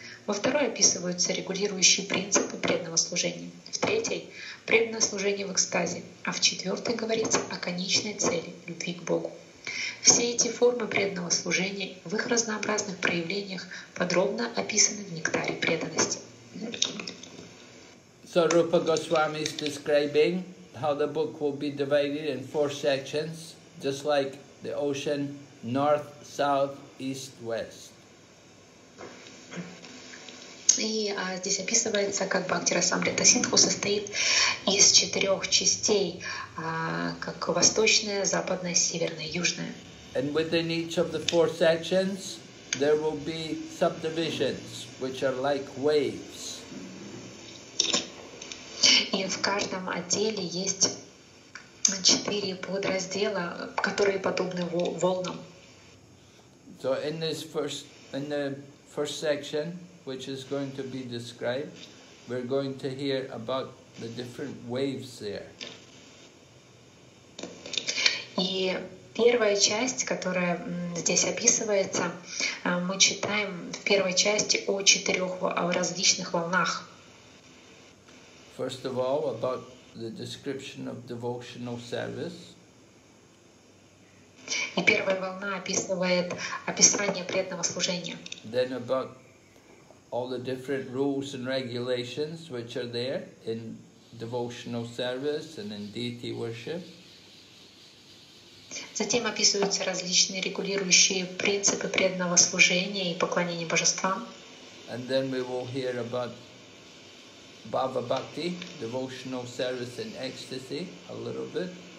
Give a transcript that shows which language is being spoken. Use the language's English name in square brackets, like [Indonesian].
[Russian] Во второй описываются регулирующие принципы преданного служения. В третьей – преданное служение в экстазе. А в четвертой говорится о конечной цели – любви к Богу. Все эти формы преданного служения в их разнообразных проявлениях подробно описаны в «Нектаре преданности». [English] So Rupa Goswami is describing how the book will be divided in four sections, just like the ocean, north, south, east, west. [Russian] И здесь описывается, как Бхакти Расамрита Синдху состоит из четырех частей, как восточная, западная, северная, южная. [English] And within each of the four sections, there will be subdivisions, which are like waves. [Russian] И в каждом отделе есть четыре подраздела, которые подобны волнам. [English] So in this first, in the first section, which is going to be described, we're going to hear about the different waves there. [Russian] И первая часть, которая здесь описывается, мы читаем в первой части о четырех различных волнах. [English] First of all, about the description of devotional service. [Russian] И первая волна описывает описание преданного служения. [English] Then about all the different rules and regulations which are there in devotional service and in deity worship. [Russian] Затем описываются различные регулирующие принципы преданного служения и поклонения божествам. [English] And then we will hear about Bhava Bhakti, devotional service in ecstasy, a little bit.